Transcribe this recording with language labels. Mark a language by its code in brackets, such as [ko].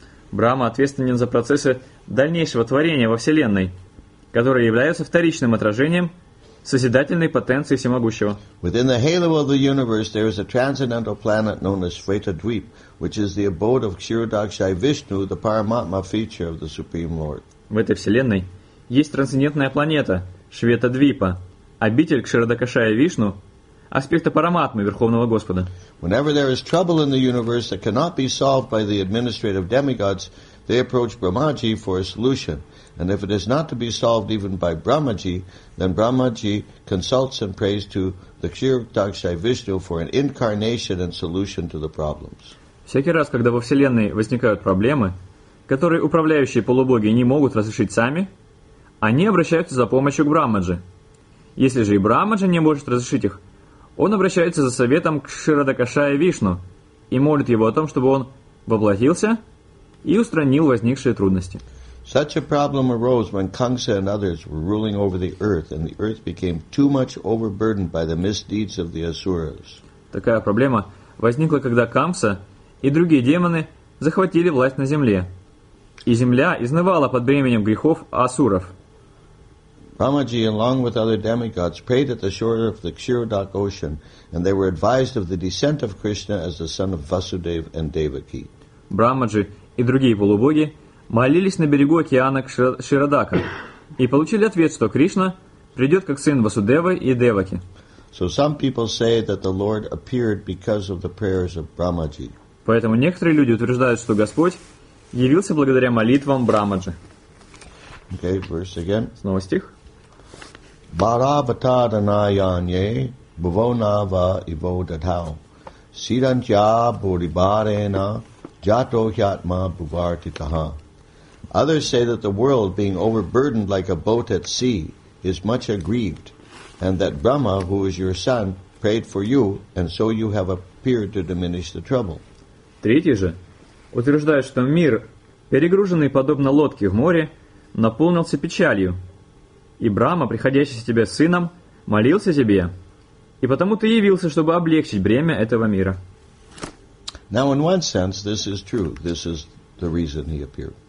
[ru] Брама ответственен за процессы дальнейшего творения во Вселенной, которые являются вторичным отражением созидательной потенции всемогущего. [en] Within the halo of the universe, there is a transcendental planet known as Svetadvip, which is the abode of Kshirodakshaya Vishnu, the Paramatma feature of the Supreme Lord. [ru] В этой Вселенной есть трансцендентная планета Шветадвипа, обитель Кширадакашая Вишну, аспекта Параматмы Верховного Господа. [en] Whenever there is trouble in the universe that cannot be solved by the administrative demigods, they approach Brahmaji for a solution. And if it is not to be solved even by Brahmaji, then Brahmaji consults and prays to the Kshirodakshaya Vishnu for an incarnation and solution to the problems. [ru] Всякий раз, когда во Вселенной возникают проблемы, которые управляющие полубоги не могут разрешить сами, они обращаются за помощью к Брахмаджи. Если же и Брахмаджи не может разрешить их, он обращается за советом к Кширадакашая Вишну и молит его о том, чтобы он воплотился и устранил возникшие трудности. [en] Such a problem arose when Kamsa and others were ruling over the earth, and the earth became too much overburdened by the misdeeds of the Asuras. [ru] Такая проблема возникла, когда Камса и другие демоны захватили власть на земле, и земля изнывала под бременем грехов асуров. [en] Brahmaji, along with other demigods, prayed at the shore of the Kshirodak ocean, and they were advised of the descent of Krishna as the son of Vasudev and Devaki. [ru] Брахмаджи и другие полубоги молились на берегу океана Кширадака и получили ответ, что Кришна придет как сын Васудевы и Деваки. [en] So some people say that the Lord appeared because of the prayers of Brahmaji. [ru] Поэтому некоторые люди утверждают, что Господь явился благодаря молитвам Брахмаджи. [en] Okay, verse again. [ru] Снова стих. [sa] Баравататанаяне бувонава иво дадхау сиданча бурибарена джато хятма бувартитаха. [en] Others say that the world, being overburdened like a boat at sea, is much aggrieved, and that Brahma, who is your son, prayed for you, and so you have appeared to diminish the trouble. [ru] Третий же утверждает, что мир, перегруженный подобно лодке в море, наполнился печалью, и Брахма, приходящий к тебе сыном, молился тебе, и потому ты явился, чтобы облегчить бремя этого мира. [en] Now, in one sense, this is true. This is the reason he appeared.